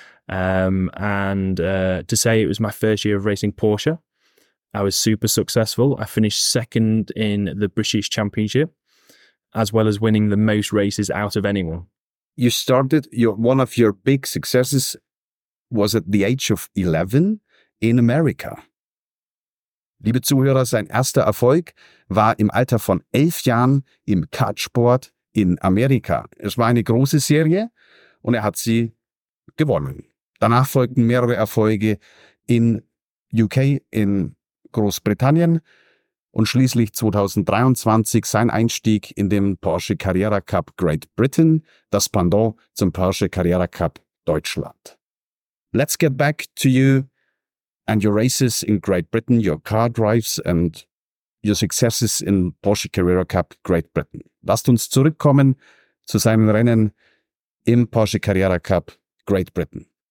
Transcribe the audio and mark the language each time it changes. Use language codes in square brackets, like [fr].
[en] To say it was my first year of racing Porsche, I was super successful. I finished second in the British Championship, as well as winning the most races out of anyone. You started, one of your big successes was at the age of 11 in America. [de] Liebe Zuhörer, sein erster Erfolg war im Alter von 11 Jahren im Kartsport in Amerika. Es war eine große Serie und er hat sie gewonnen. Danach folgten mehrere Erfolge in UK, in Großbritannien und schließlich 2023 sein Einstieg in den Porsche Carrera Cup Great Britain, das Pendant zum Porsche Carrera Cup Deutschland. [en] Let's get back to you. And your races in Great Britain, your car drives and your successes in Porsche Carrera Cup Great Britain. [de] Lasst uns zurückkommen zu seinen Rennen im Porsche Carrera Cup Great Britain.